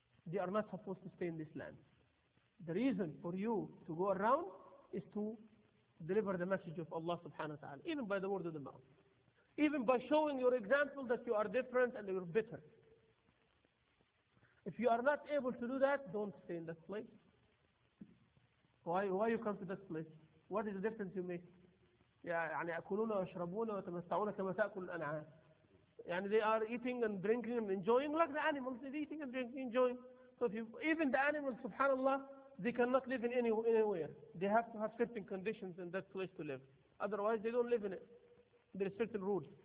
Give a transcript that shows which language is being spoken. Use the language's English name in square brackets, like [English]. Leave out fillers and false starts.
[English] They are not supposed to stay in this land. The reason for you to go around is to deliver the message of Allah subhanahu wa ta'ala, even by the word of the mouth. Even by showing your example that you are different and you're bitter. If you are not able to do that, don't stay in that place. Why you come to that place? What is the difference you make? [Arabic] يعني أكلون وشربون وتمتعون كما تأكل الأنعام. [English] يعني they are eating and drinking and enjoying like the animals. They're eating and drinking, enjoying. So if even the animals, subhanAllah, they cannot live in anywhere. They have to have certain conditions in that place to live. Otherwise, they don't live in it. There are certain rules.